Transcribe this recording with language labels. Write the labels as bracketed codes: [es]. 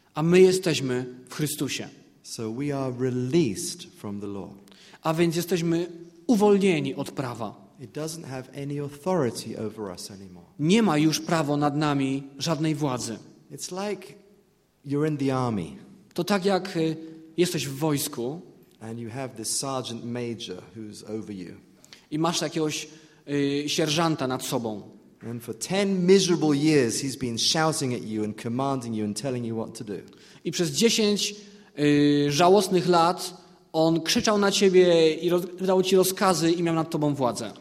[pl] A my jesteśmy w Chrystusie. [en] So we are released from the law. [pl] A więc jesteśmy uwolnieni od prawa. [en] It doesn't have any authority over us anymore. [pl] Nie ma już prawa nad nami żadnej władzy. [en] It's like you're in the army. [pl] To tak jak jesteś w wojsku. [en] And you have this sergeant major who's over you. [pl] I masz jakiegoś sierżanta nad sobą. [en] And for 10 miserable years he's been shouting at you and commanding you and telling you what to do. [pl] I przez 10 żałosnych lat on krzyczał na ciebie i dawał ci rozkazy i miał nad tobą władzę.